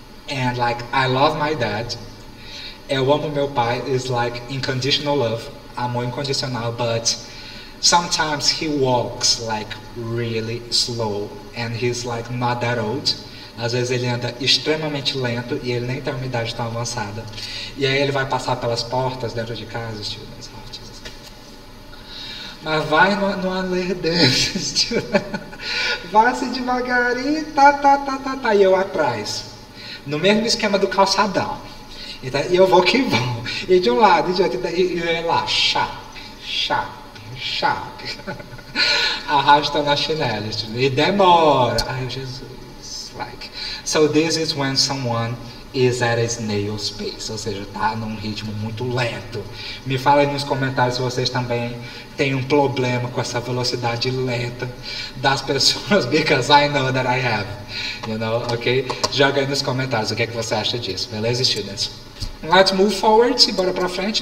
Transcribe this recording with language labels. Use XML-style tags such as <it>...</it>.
<en>And like, I love my dad,</en> <pt>eu amo meu pai,</pt> <en>is like unconditional love,</en> <pt>amor incondicional,</pt> <en>but sometimes he walks like really slow, and he's like not that old.</en> <pt>Às vezes ele anda extremamente lento e ele nem tem uma idade tão avançada. E aí ele vai passar pelas portas dentro de casa, students.</pt> <en>Oh, Jesus.</en> <pt>Mas vai no ler desses, vai se devagarinho, tá, e eu atrás. No mesmo esquema do calçadão. Então, e eu vou que vou. E de um lado, e de outro, e eu lá, chape. Arrastando a chinela. E demora. Ai, Jesus. Like.</pt> <en>So this is when someone is at a snail's pace.</en> <pt>Ou seja, tá num ritmo muito lento. Me fala aí nos comentários se vocês também têm um problema com essa velocidade lenta das pessoas.</pt> <en>Because I know that I have. You know,</en> <pt>ok? Joga aí nos comentários o que é que você acha disso. Beleza, students?</pt> <en>Let's move forward.</en> <pt>E bora pra frente.</pt>